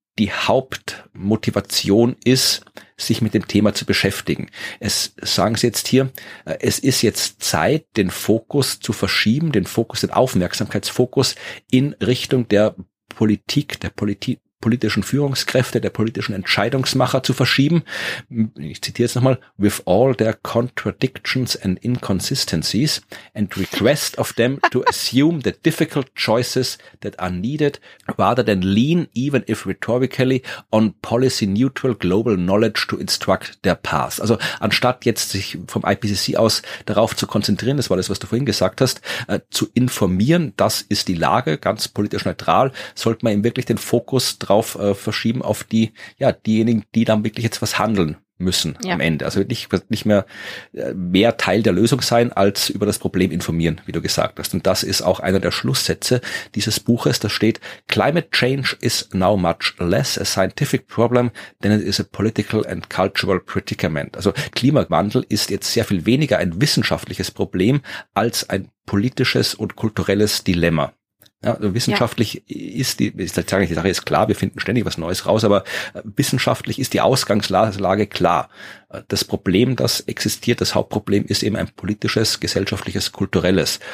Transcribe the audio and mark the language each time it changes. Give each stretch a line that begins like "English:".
German: die Hauptmotivation ist, sich mit dem Thema zu beschäftigen. Es sagen Sie jetzt hier, es ist jetzt Zeit, den Fokus zu verschieben, den Fokus, den Aufmerksamkeitsfokus in Richtung der Politik, der politischen Führungskräfte, der politischen Entscheidungsmacher zu verschieben. Ich zitiere jetzt nochmal,
English: with all their contradictions and inconsistencies and request of them to assume the difficult choices that are needed rather than lean, even if rhetorically, on policy neutral global knowledge to instruct their path.
German: Also anstatt jetzt sich vom IPCC aus darauf zu konzentrieren, das war das, was du vorhin gesagt hast, zu informieren, das ist die Lage, ganz politisch neutral, sollte man eben wirklich den Fokus drauf verschieben auf die, ja, diejenigen, die dann wirklich jetzt was handeln müssen, ja, am Ende. Also nicht mehr mehr Teil der Lösung sein, als über das Problem informieren, wie du gesagt hast. Und das ist auch einer der Schlusssätze dieses Buches. Da steht,
English: Climate change is now much less a scientific problem than it is a political and cultural predicament.
German: Also Klimawandel ist jetzt sehr viel weniger ein wissenschaftliches Problem als ein politisches und kulturelles Dilemma. Ja, wissenschaftlich, ja, ist die Sache ist klar, wir finden ständig was Neues raus, aber wissenschaftlich ist die Ausgangslage klar. Das Problem, das existiert, das Hauptproblem ist eben ein politisches, gesellschaftliches, kulturelles.